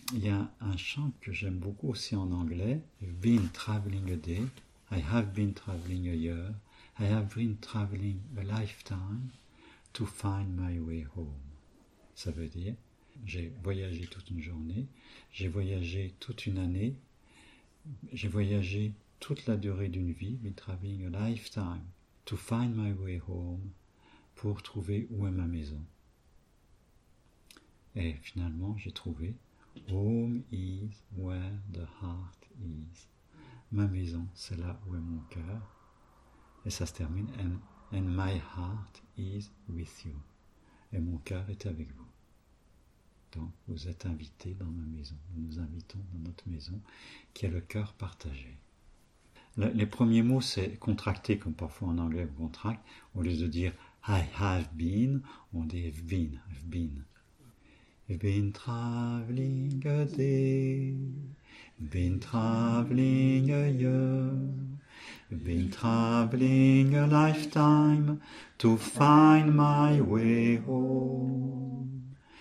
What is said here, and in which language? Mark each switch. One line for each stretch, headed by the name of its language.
French: Il y a un chant que j'aime beaucoup aussi en anglais.
English: Been traveling a day. I have been traveling a year. I have been traveling a lifetime to find my way home.
French: Ça veut dire, j'ai voyagé toute une journée, j'ai voyagé toute une année, j'ai voyagé toute la durée d'une vie,
English: been traveling a lifetime to find my way home,
French: pour trouver où est ma maison. Et finalement, j'ai trouvé.
English: Home is where the heart is.
French: Ma maison, c'est là où est mon cœur. Et ça se termine.
English: And my heart is with you.
French: Et mon cœur est avec vous. Donc, vous êtes invités dans ma maison. Nous nous invitons dans notre maison qui est le cœur partagé. Les premiers mots, c'est contracté, comme parfois en anglais, on contracte. Au lieu de dire
English: I have been,
French: on dit
English: I've been. Been traveling a day, been traveling a year, been traveling a lifetime to find my way home.